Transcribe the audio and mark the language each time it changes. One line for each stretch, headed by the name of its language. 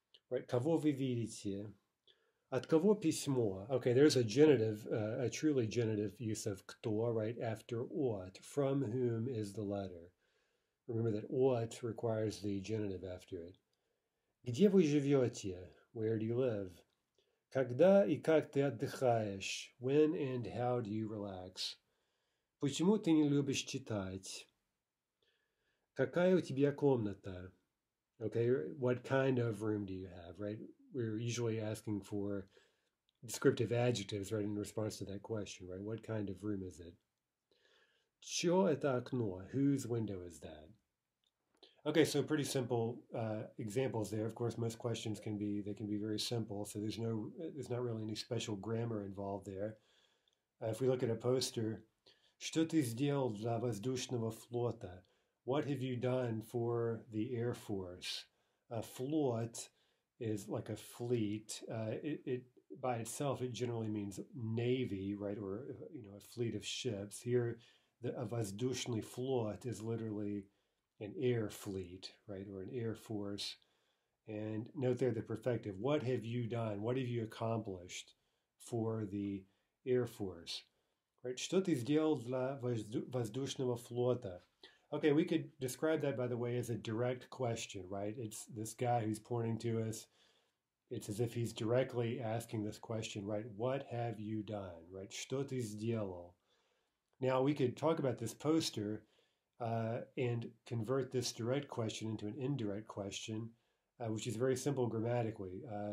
Russian: Right, кого вы видите? От кого письмо?
English: Okay, there's a genitive, a truly genitive use of кто, right, after от. From whom is the letter? Remember that от requires the genitive after it.
Russian: Где вы живете?
English: Where do you live?
Russian: Когда и как ты отдыхаешь?
English: When and how do you relax?
Russian: Почему ты не любишь читать? Какая у тебя комната?
English: Okay, what kind of room do you have, right? We're usually asking for descriptive adjectives, right, in response to that question, right? What kind of room is it?
Russian: Чё это окно?
English: Whose window is that? Okay, so pretty simple examples there. Of course, most questions can be very simple, so there's not really any special grammar involved there. If we look at a poster,
Russian: Что ты сделал для воздушного флота?
English: What have you done for the Air Force? A flot is like a fleet. It by itself, it generally means navy, right? Or, you know, a fleet of ships. Here, a воздушный флот is literally an air fleet, right? Or an air force. And note there the perfective. What have you done? What have you accomplished for the Air Force? Right?
Russian: Что ты сделал для воздушного флота?
English: Okay, we could describe that, by the way, as a direct question, right? It's this guy who's pointing to us. It's as if he's directly asking this question, right? What have you done, right?
Russian: Что ты сделал?
English: Now, we could talk about this poster and convert this direct question into an indirect question, which is very simple grammatically.